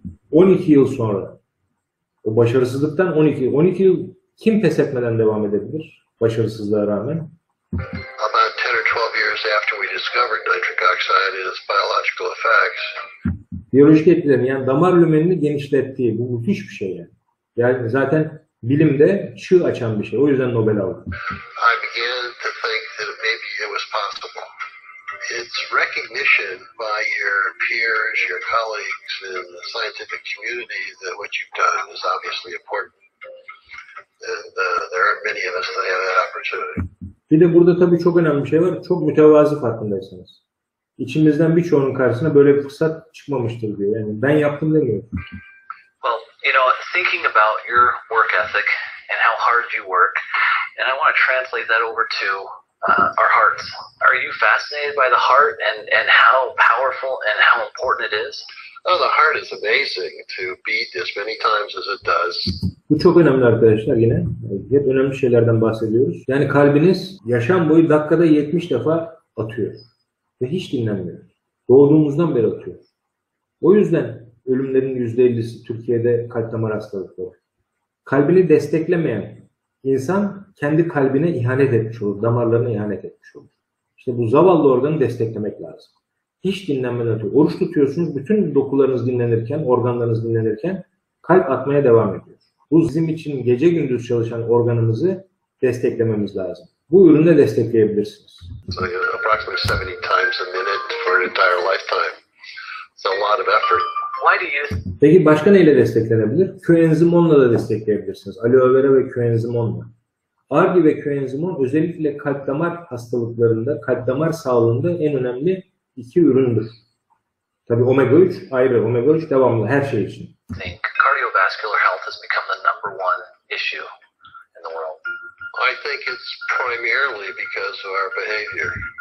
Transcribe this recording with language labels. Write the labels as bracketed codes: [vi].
[tr] 12 yıl sonra, o başarısızlıktan 12 yıl kim pes etmeden devam edebilir başarısızlığa rağmen? [en] About 10 or 12 years after we discovered nitric oxide and its biological effects. [tr] Biyolojik etkilerini, yani damar lümenini genişlettiği, bu müthiş bir şey yani. Yani zaten bilimde çığ açan bir şey. O yüzden Nobel aldı. [en] I began to think that maybe it was possible. It's recognition by your peers, your colleagues in the scientific community that what you've done is obviously important. And there aren't many of us that have that opportunity. [tr] Bir de burada tabii çok önemli bir şey var. Çok mütevazı farkındaysanız. İçimizden birçoğunun karşısına böyle bir fırsat çıkmamıştır diyor. Yani ben yaptım demiyor. [en] You know, thinking about your work ethic and how hard you work, and I want to translate that over to our hearts. Are you fascinated by the heart and how powerful and how important it is? Oh, the heart is amazing to beat as many times as it does. [tr] Bu çok önemli arkadaşlar yine. Hep önemli şeylerden bahsediyoruz. Yani kalbiniz yaşam boyu dakikada 70 defa atıyor. Ve hiç dinlenmiyor. Doğduğumuzdan beri atıyor. O yüzden ölümlerin %50'si Türkiye'de kalp damar hastalıkları. Kalbini desteklemeyen insan kendi kalbine ihanet etmiş olur, damarlarına ihanet etmiş olur. İşte bu zavallı organı desteklemek lazım. Hiç dinlenmeden atıyor. Oruç tutuyorsunuz, bütün dokularınız dinlenirken, organlarınız dinlenirken kalp atmaya devam ediyor. Bu bizim için gece gündüz çalışan organımızı desteklememiz lazım. Bu ürünle destekleyebilirsiniz. [en] So you know, approximately 70 times a minute for an entire lifetime. It's a lot of effort. [tr] Peki başka neyle desteklenebilir? Köenzimonla da destekleyebilirsiniz. Aloe vera ve köenzimonla. Argi ve köenzimon özellikle kalp damar hastalıklarında, kalp damar sağlığında en önemli iki üründür. Tabii omega 3 ayrı, omega 3 devamlı her şey için. [en] Cardiovascular health has become the number one issue in the world. I think it's primarily because of our behavior.